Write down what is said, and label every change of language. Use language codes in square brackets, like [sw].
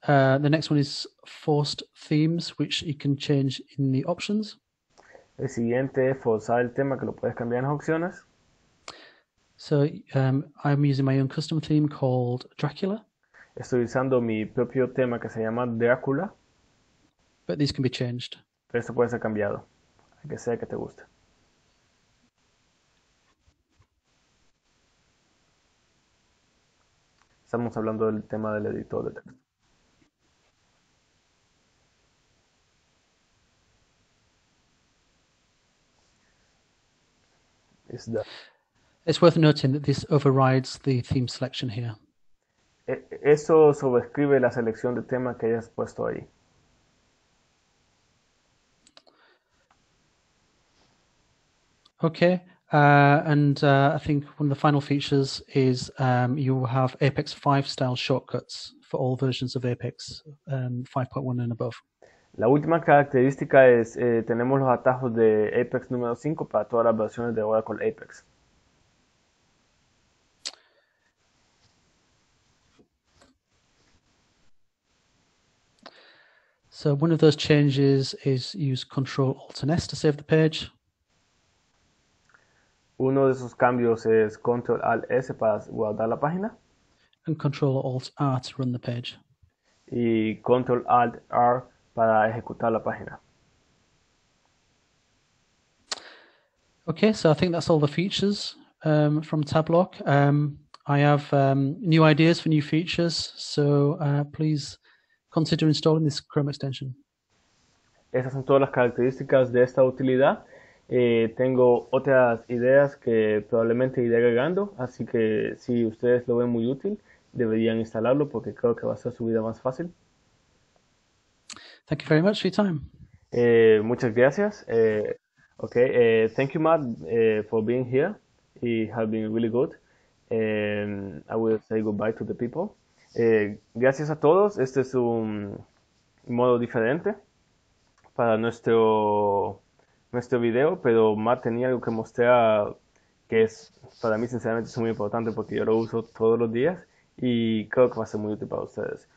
[en] The next one is forced themes, which you can change in the options. [es] El siguiente es forzar el tema que lo puedes cambiar en las opciones. [en] So I'm using my own custom theme called Dracula. [es] Estoy usando mi propio tema que se llama Drácula. [en] But these can be changed. [es] Pero esto puede ser cambiado, que sea que te guste. Estamos hablando del tema del editor de texto. Es da. [en] It's worth noting that this overrides the theme selection here. [es] Eso sobrescribe la selección de tema que hayas puesto ahí. [en] Okay, I think one of the final features is you have Apex 5 style shortcuts for all versions of Apex 5.1 and above. [es] La última característica es tenemos los atajos de Apex número 5 para todas las versiones de Oracle Apex. [en] So one of those changes is use Control Alt and S to save the page. [es] Uno de esos cambios es Control Alt S para guardar la página [en] And Control Alt R to run the page. [es] y Control Alt R para ejecutar la página. [en] Okay, so I think that's all the features from Tablock. I have new ideas for new features, so please consider installing this Chrome extension. [es] Estas son todas las características de esta utilidad. Tengo otras ideas que probablemente iré agregando, así que si ustedes lo ven muy útil, deberían instalarlo porque creo que va a hacer su vida más fácil. [en] Thank you very much for your time. [es] Muchas gracias. [en] Thank you, Matt, for being here y have been really good. I will say goodbye to the people. [es] Gracias a todos. Este es un modo diferente para nuestro video, pero Matt tenía algo que mostrar que es para mí sinceramente es muy importante porque yo lo uso todos los días y creo que va a ser muy útil para ustedes.